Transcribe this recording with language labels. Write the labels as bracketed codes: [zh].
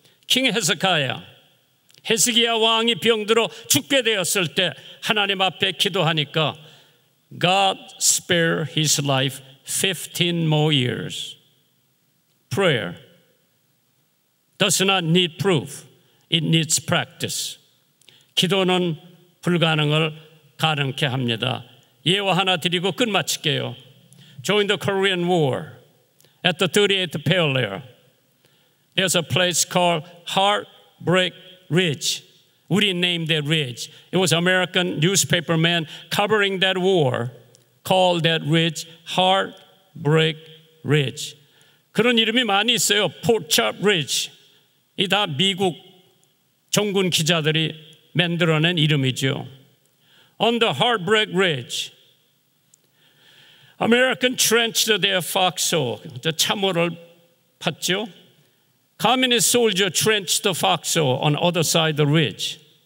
[ko] 킹 헤스카야, 헤스기야 왕이 병들어 죽게 되었을 때 하나님 앞에 기도하니까 [en] God spared his life 15 more years. Prayer does not need proof. It needs practice. [ko] 기도는 불가능을 가능케 합니다. 예화 하나 드리고 끝마칠게요. [en] During the Korean War, at the 38th parallel, there's a place called Heartbreak Ridge. We didn't name that ridge. It was American newspaper man covering that war called that ridge Heartbreak Ridge. [ko] 그런 이름이 많이 있어요. [en] Portchart Ridge. [ko] 이 다 미국 종군 기자들이 만들어낸 이름이죠. [en] On the Heartbreak Ridge, American trenched their foxhole. [ko] 참호를 팠죠. [en] Communist soldier trenched the foxhole on other side the ridge.